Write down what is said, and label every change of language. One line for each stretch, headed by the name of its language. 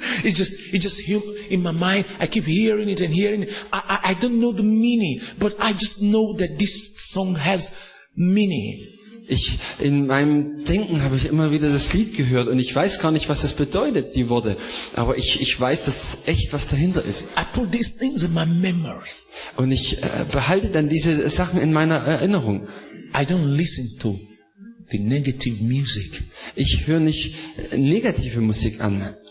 English: It just in my mind, I keep hearing it and hearing it. I don't know the meaning, but I just know that this song has meaning.
German: Ich, in meinem Denken habe ich immer wieder das Lied gehört und ich weiß gar nicht, was das bedeutet, die Worte. Aber ich weiß das echt, was dahinter ist.
English: I put these things in my memory.
German: Und ich behalte dann diese Sachen in meiner Erinnerung.
English: I don't listen to the negative music.
German: Ich höre nicht negative Musik an.